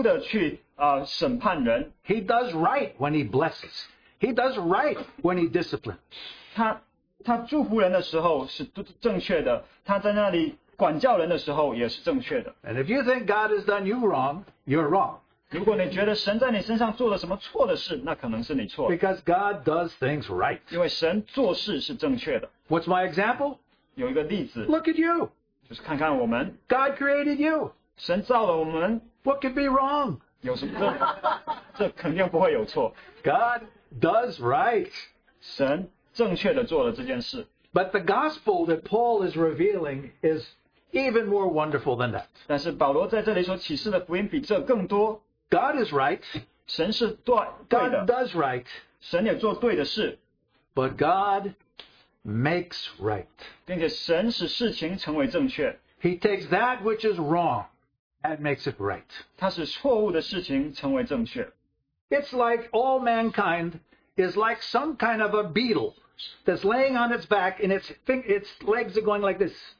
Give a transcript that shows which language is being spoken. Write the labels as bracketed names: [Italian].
[Chinese] 他从来不会无辜地去审判人。 [English] He does right when he blesses. He does right when he disciplines. [Chinese] 他祝福人的时候是正确的, 他在那里管教人的时候也是正确的。 [English] And if you think God has done you wrong, you're wrong. [Chinese] 如果你觉得神在你身上做了什么错的事, 那可能是你错的。 [English] Because God does things right. [Chinese] 因为神做事是正确的。 [English] What's my example? [Chinese] 有一个例子。 [English] Look at you. [Chinese] 就是看看我们, [English] God created you. [Chinese] 神造了我们, [English] what could be wrong? [Chinese] 这肯定不会有错。 [English] God does right. [Chinese] 神正确地做了这件事。 [English] But the gospel that Paul is revealing is even more wonderful than that. [Chinese] 但是保罗在这里所启示的福音比这更多。 [English] God is right. [Chinese] 神是对的。 [English] God does right. [Chinese] 神也做对的事。 [English] But God makes right. [Chinese] 并且神使事情成为正确。 [English] He takes that which is wrong and makes it right. [Chinese] 他使错误的事情成为正确。 [English] It's like all mankind is like some kind of a beetle that's laying on its back and its legs are going like this.